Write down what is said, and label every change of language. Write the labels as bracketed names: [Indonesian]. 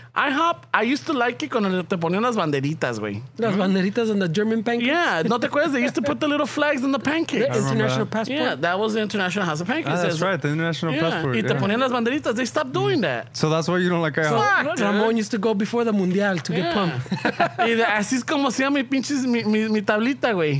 [Spanish] IHOP, [English] I used to like it [Spanish] cuando te ponían las banderitas, güey. Las banderitas [English] and the German pancakes? [Spanish] Yeah, no te acuerdas? [English] They used to put the little flags on the pancakes. The International Passport. Yeah, that was the International House of Pancakes. Ah, that's right, the International Passport. [Spanish] Y te ponían las banderitas. [English] They stopped doing that. So that's why you don't like IHOP? Fuck, Ramon used to go before the Mundial to get pumped. [Spanish] Y así es como hacía mi pinches, mi tablita, güey.